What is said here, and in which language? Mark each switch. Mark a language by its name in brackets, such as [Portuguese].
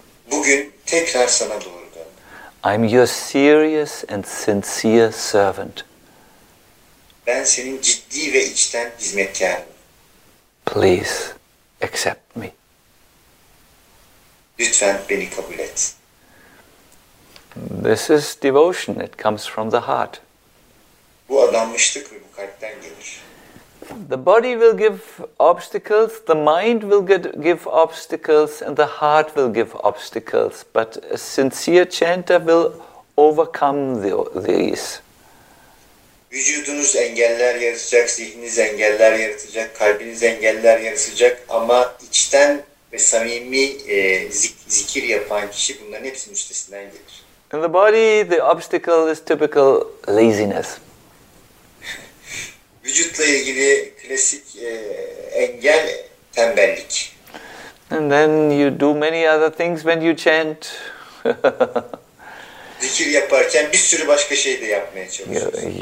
[Turkish] Bugün tekrar sana doğru döndüm. [English] I'm your serious and sincere servant. [Turkish] Ben senin ciddi ve içten hizmetkarım. [English] Please accept me. [Turkish] Lütfen beni kabul et. [English] This is devotion. It comes from the heart. [Turkish] Bu adanmışlık ve bu kalpten gelir. [English] The body will give obstacles, the mind will give obstacles, and the heart will give obstacles. But a sincere chanter will overcome these. [Turkish] Vücudunuz engeller yaratacak, zihniniz engeller yaratacak, kalbiniz engeller yaratacak ama içten ve samimi zikir yapan kişi bunların hepsinin üstesinden gelir. [English] In the body, the obstacle is typical laziness. [Turkish] Vücutla ilgili klasik engel tembellik. [English] And then you do many other things when you chant. [Turkish] Zikir yaparken bir sürü başka şey de yapmaya çalışıyorsunuz.